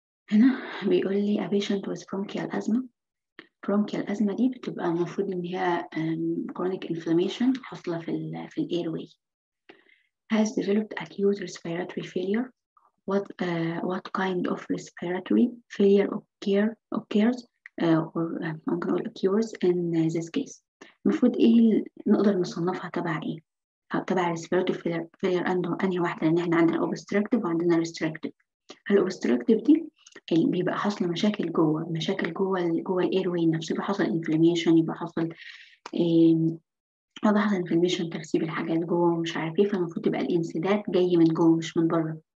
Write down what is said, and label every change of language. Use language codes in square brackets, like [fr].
[ar] هنا بيقول لي [en] a patient with bronchial asthma. [ar] برونكيال ازمه دي بتبقى المفروض ان هي كرونيك انفلاميشن حاصله في الاير واي. [en] has developed acute respiratory failure. What kind of respiratory failure occurs or [ar] ممكن أقول [en] occurs in this case. [ar] المفروض إيه نقدر نصنفها تبع إيه؟ تبع respiratory failure عنده أنهي واحدة؟ لأن إحنا عندنا obstructive وعندنا restrictive. الobstructive دي بيبقى حصل مشاكل جوه، مشاكل جوه الـ airway نفسه، يبقى حصل inflammation، يبقى حصل inflammation ترسيب الحاجات جوه ومش عارف إيه، فالمفروض تبقى الانسداد جاي من جوه مش من بره.